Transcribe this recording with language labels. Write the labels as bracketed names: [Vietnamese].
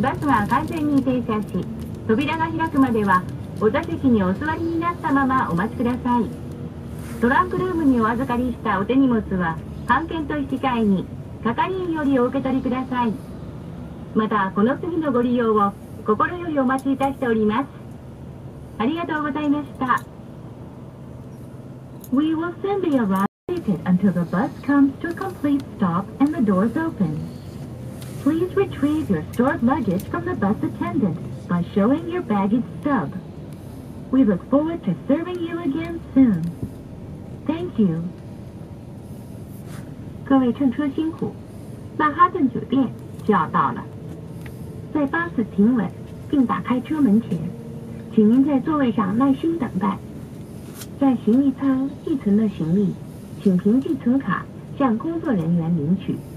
[Japanese] バスは完全に停車し、扉が開くまではお座席にお座りになったままお待ちください。トランクルームにお預かりしたお手荷物は半券と引き換えに係員よりお受け取りください。またこの次のご利用を心よりお待ちいたしております。ありがとうございました。 [English] We will soon be arriving until the bus comes to a complete stop and the doors open. Please retrieve your stored luggage from the bus attendant by showing your baggage stub. We look forward to serving you again soon. Thank you. [Chinese] 各位乘车辛苦，曼哈顿酒店就要到了。在巴士停稳并打开车门前，请您在座位上耐心等待。在行李舱寄存的行李，请凭寄存卡向工作人员领取。